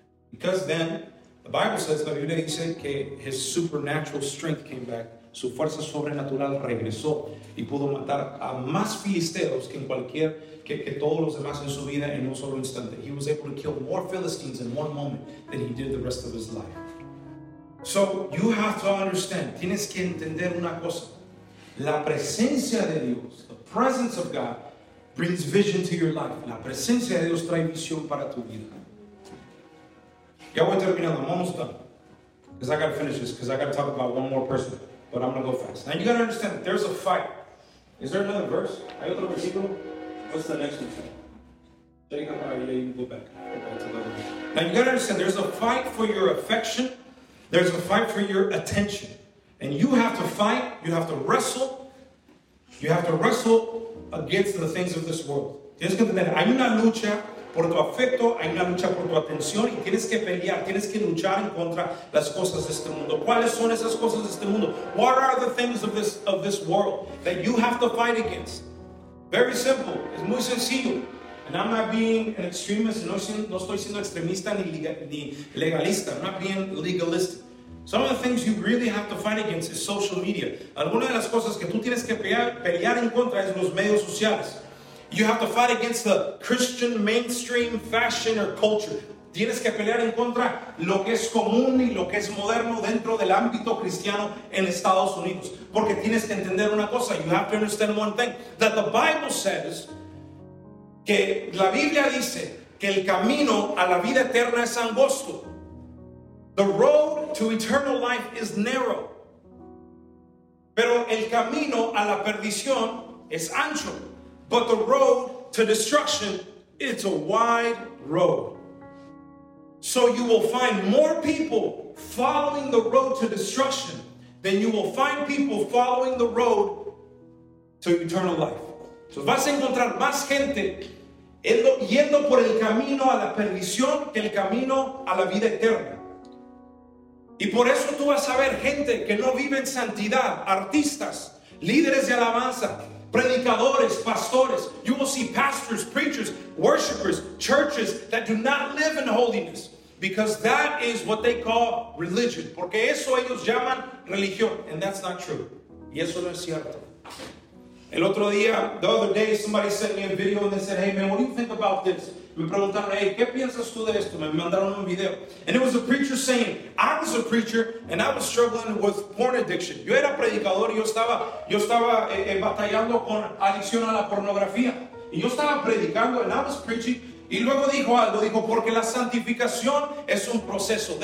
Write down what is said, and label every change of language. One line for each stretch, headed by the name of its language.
English: Because then, the Bible says,
Spanish: la Biblia dice que
English: his supernatural strength came back.
Spanish: Su fuerza sobrenatural regresó y pudo matar a más filisteos que en cualquier, que todos los demás en su vida en un solo instante.
English: He was able to kill more Philistines in one moment than he did the rest of his life. So you have to understand,
Spanish: tienes que entender una cosa. La presencia de Dios,
English: the presence of God, brings vision to your life.
Spanish: La presencia de Dios trae visión para tu vida. Ya voy terminando,
English: I'm almost done. Because I got to finish this, because I got to talk about one more person. But I'm going to go fast. Now you got to understand, there's a fight. Is there another verse?
Spanish: Hay otro versículo?
English: What's the next one? Go back. Now you got to understand, there's a fight for your affection. There's a fight for your attention. And you have to fight. You have to wrestle. You have to wrestle against the things of this world.
Spanish: Tienes que entender, hay una lucha por tu afecto, hay una lucha por tu atención, y tienes que pelear, tienes que luchar en contra las cosas de este mundo. ¿Cuáles son esas cosas de este mundo?
English: What are the things of this world that you have to fight against? Very simple.
Spanish: Es muy sencillo.
English: And I'm not being an extremist.
Spanish: No estoy siendo extremista ni legalista.
English: I'm not being legalistic. Some of the things you really have to fight against is social media.
Spanish: Algunas de las cosas que tú tienes que pelear en contra es los medios sociales.
English: You have to fight against the Christian mainstream fashion or culture.
Spanish: Tienes que pelear en contra lo que es común y lo que es moderno dentro del ámbito cristiano en Estados Unidos. Porque tienes que entender una cosa.
English: You have to understand one thing. That the Bible says,
Spanish: que la Biblia dice que el camino a la vida eterna es angosto.
English: The road to eternal life is narrow.
Spanish: Pero el camino a la perdición es ancho.
English: But the road to destruction, it's a wide road. So you will find more people following the road to destruction than you will find people following the road to eternal life.
Spanish: So vas a encontrar más gente yendo por el camino a la perdición que el camino a la vida eterna. Y por eso tú vas a ver gente que no vive en santidad, artistas, líderes de alabanza, predicadores, pastores.
English: You will see pastors, preachers, worshipers, churches that do not live in holiness. Because that is what they call religion.
Spanish: Porque eso ellos llaman religión.
English: And that's not true.
Spanish: Y eso no es cierto. El otro día,
English: the other day, somebody sent me a video and they said, hey man, what do you think about this?
Spanish: Me preguntaron, hey, ¿qué piensas tú de esto? Me mandaron un video.
English: And it was a preacher saying, I was a preacher and I was struggling with porn addiction.
Spanish: Yo era predicador y yo estaba batallando con adicción a la pornografía. Y yo estaba predicando
English: and I was preaching.
Spanish: Y luego dijo algo, dijo, porque la santificación es un proceso.